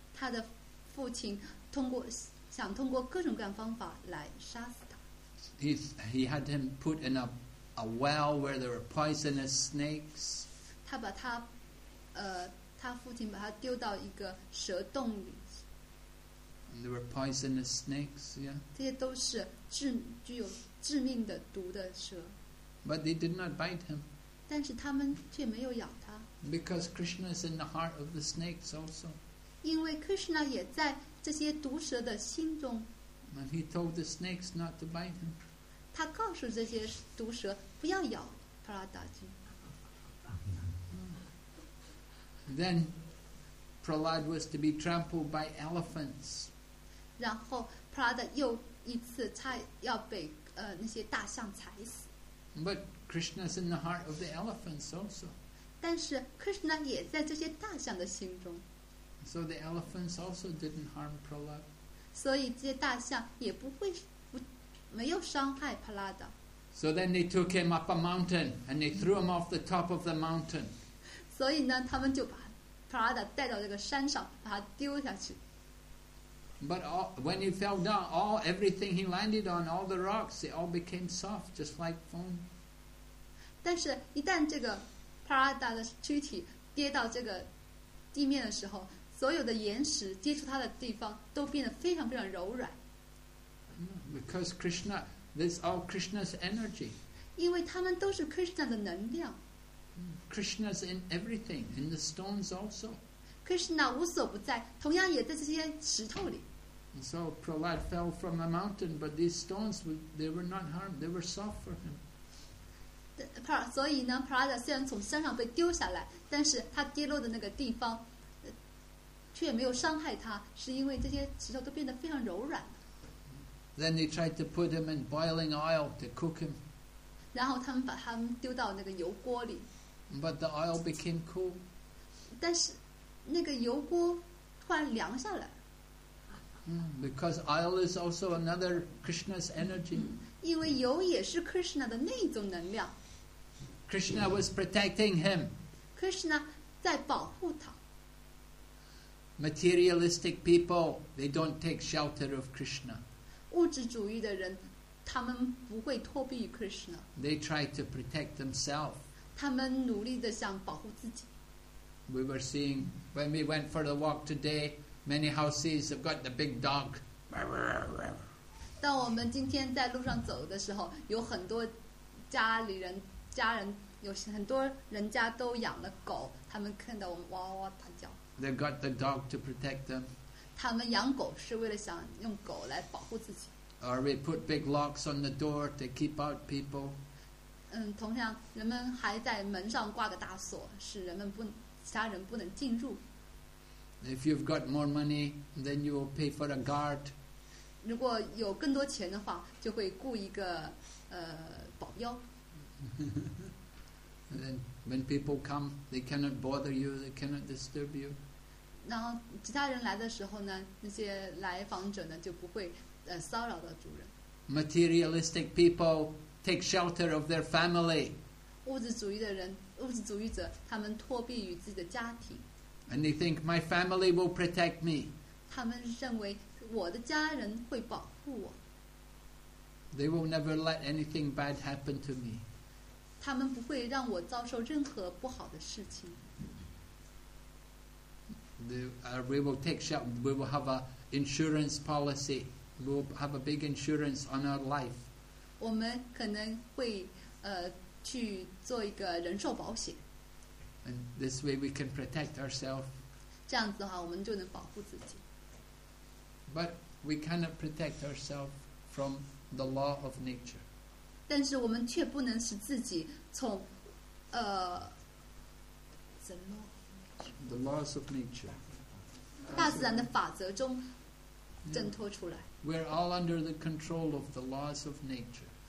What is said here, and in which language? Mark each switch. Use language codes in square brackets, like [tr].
[zh] 他的父亲想通过各种各样方法来杀死他。 [en] He had him put in a well where there were poisonous snakes. [zh] 他把他，他父亲把他丢到一个蛇洞里。 [en] And there were poisonous snakes, yeah. [zh] 这些都是具有致命的毒的蛇。 [en] But they did not bite him. [zh] 但是他们却没有咬他。 [en] Because Krishna is in the heart of the snakes also. [zh] 因为 Krishna 也在这些毒蛇的心中。 [en] And he told the snakes not to bite him. [zh] 他告诉这些毒蛇不要咬 Prahladji. [en] Then Prahlad was to be trampled by elephants. [zh] 然后普拉达又一次差要被那些大象踩死。 [en] But Krishna's in the heart of the elephants also. [zh] 但是 Krishna 也在这些大象的心中。 [en] So the elephants also didn't harm Prahlad. [zh] 所以这些大象也不会没有伤害普拉达。 [en] So then they took him up a mountain and they threw him off the top of the mountain. [zh] 所以呢，他们就把普拉达带到这个山上，把他丢下去。 [en] But all, when he fell down, all everything he landed on, all the rocks, they all became soft, just like foam. [zh] 但是一旦这个 Prahlada 的躯体跌到这个地面的时候，所有的岩石接触它的地方都变得非常非常柔软。 [en] Because Krishna, this is all Krishna's energy. [zh] 因为它们都是 Krishna 的能量。 [en] Krishna's in everything, in the stones also. [zh] Krishna 无所不在，同样也在这些石头里。 [en] And so Prahlad fell from a mountain, but these stones they were not harmed; they were soft for him. [zh] 所以呢 ，Prahlad 虽然从山上被丢下来，但是他跌落的那个地方，却没有伤害他，是因为这些石头都变得非常柔软。 [en] Then they tried to put him in boiling oil to cook him. [zh] 然后他们把他们丢到那个油锅里。 [en] But the oil became cool. [zh] 但是那个油锅突然凉下来。 [en] Because oil is also another Krishna's energy. [zh] 因为油也是 Krishna 的那种能量。 [en] Krishna was protecting him. [zh] Krishna 在保护他。 [en] Materialistic people, they don't take shelter of Krishna. [zh] 物质主义的人，他们不会脱避于 Krishna. [en] They try to protect themselves. [zh] 他们努力地想保护自己。 [en] We were seeing when we went for the walk today. Many houses have got the big dog. [zh] 当我们今天在路上走的时候，有很多家里人有很多人家都养了狗，他们看到我们哇哇大叫。 [en] They got the dog to protect them. [zh] 他们养狗是为了想用狗来保护自己。 [en] Or we put big locks on the door to keep out people. [zh] 嗯，同样，人们还在门上挂个大锁，使人们不其他人不能进入。 [en] If you've got more money, then you will pay for a guard. [zh] 如果有更多钱的话，就会雇一个保镖。 [en] And then when people come, they cannot bother you, they cannot disturb you. [zh] 然后其他人来的时候呢，那些来访者呢就不会骚扰到主人。 [en] Materialistic people take shelter of their family. [zh] 物质主义者他们托庇于自己的家庭。 [en] And they think my family will protect me. [zh] 他们认为我的家人会保护我。 [en] They will never let anything bad happen to me. [zh] 他们不会让我遭受任何不好的事情。 [en] We will take shelter. We will have an insurance policy. We will have a big insurance on our life. [zh] 我们可能会去做一个人寿保险。 [en] And this way we can protect ourselves. [zh] 这样子的话，我们就能保护自己。 [en] But we cannot protect ourselves from the law of nature. [zh] 但是我们却不能使自己从 [en] the laws of nature [zh] 大自然的法则中挣脱出来。 [en] We're all under the control of the laws of nature.